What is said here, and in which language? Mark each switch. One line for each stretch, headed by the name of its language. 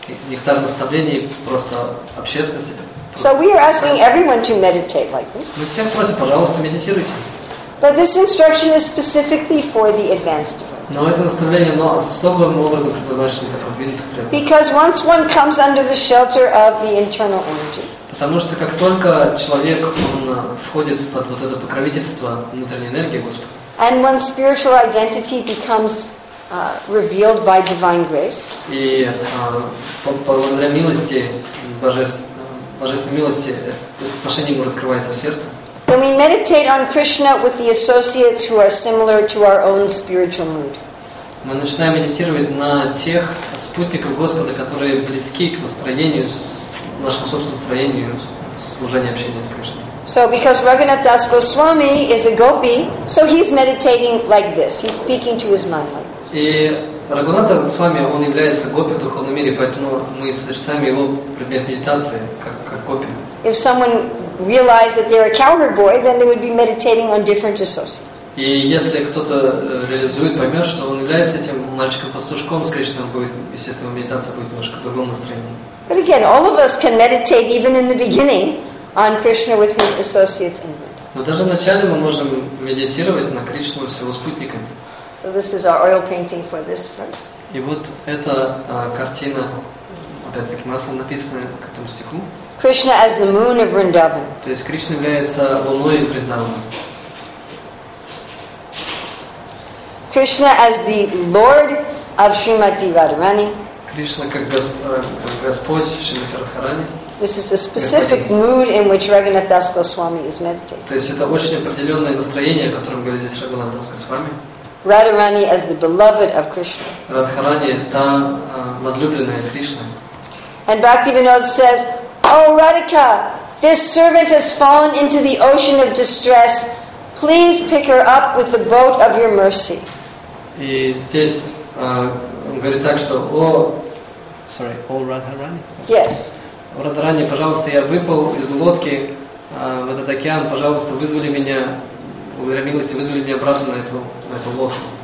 Russian: Нектар наставлений просто общественности.
English: So we are asking everyone to meditate like this.
Russian: Мы всем просим, пожалуйста, медитируйте.
English: But this instruction is specifically for the advanced devotees.
Russian: Но это наставление, оно особым образом предназначено для продвинутых преданных.
English: Because once one comes under the shelter of the internal energy.
Russian: Потому что как только человек он входит под вот это покровительство внутренней энергии Господа.
English: And when spiritual identity becomes revealed by divine grace.
Russian: И благодаря милости божественной милости отношение ему раскрывается в сердце.
English: Then we meditate on Krishna with the associates who are similar to our own spiritual mood.
Russian: Мы начинаем медитировать на тех спутников Господа, которые близки к настроению, нашему собственному настроению, служению, общению с Кришной.
English: So because Raghunath Das Goswami is a gopi, so he's meditating like this. He's speaking to his mind like this.
Russian: И Рагхунатха Госвами, он является гопи в духовном мире, поэтому мы совершаем его предмет медитации как гопи.
English: If someone realized that they're a cowherd boy, then they would be meditating on different associates.
Russian: И если кто-то реализует, поймет, что он является этим мальчиком-пастушком, скорее всего, будет, естественно, медитация будет немножко в другом настроении.
English: But again, all of us can meditate even in the beginning on Krishna with his associates in mind.
Russian: Но даже вначале мы можем медитировать на Кришну с его спутниками.
English: So this is our oil painting for this verse.
Russian: И вот эта картина, опять-таки, маслом написанная к этому стиху.
English: Krishna as the moon of Vrindavan.
Russian: То есть Кришна является луной Вриндавана.
English: Krishna as the Lord of Srimati Radharani.
Russian: Кришна как Господь Шримати Радхарани.
English: This is a specific mood in which Raghunath Das Goswami is meditating.
Russian: То есть это очень определенное настроение, о котором говорит здесь Раганатха Дас Госвами.
English: Radharani as the beloved of Krishna.
Russian: Радхарани та возлюбленная Кришны.
English: And Bhaktivinoda says, Oh, Radhika, this servant has fallen into the ocean of distress. Please pick her up with the boat of your mercy.
Russian: И здесь он говорит так, что О Радхарани.
English: Yes.
Russian: Радхарани, пожалуйста, я выпал из лодки в этот океан. Пожалуйста, вызвали меня, благодаря милости, вызвали меня обратно на эту лодку.